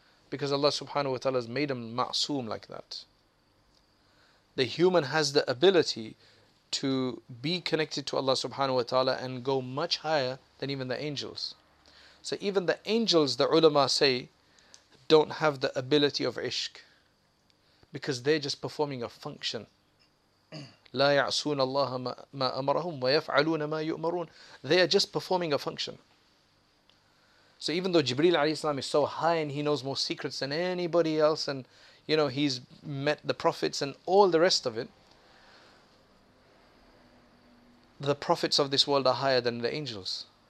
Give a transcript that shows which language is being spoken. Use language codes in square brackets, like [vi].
[en] Because Allah subhanahu wa ta'ala has made them ma'soom like that. The human has the ability to be connected to Allah subhanahu wa ta'ala and go much higher than even the angels. So even the angels, the ulama say, don't have the ability of ishq. Because they're just performing a function. [ar] لا يعصون الله ما أمرهم ويفعلون ما يؤمرون. [en] They are just performing a function. So even though Jibreel alayhi salam is so high and he knows more secrets than anybody else, and you know he's met the prophets and all the rest of it, the prophets of this world are higher than the angels.